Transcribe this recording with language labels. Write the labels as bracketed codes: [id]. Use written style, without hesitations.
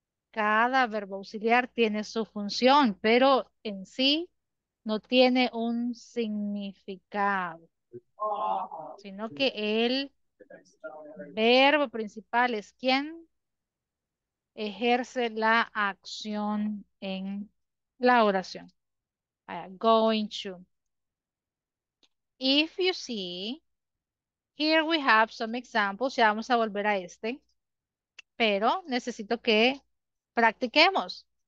[es] Cada verbo auxiliar tiene su función, pero en sí no tiene un significado, sino que el verbo principal es quien ejerce la acción en la oración. [en] Going to. If you see, here we have some examples. [es] Ya vamos a volver a este, pero necesito que practiquemos.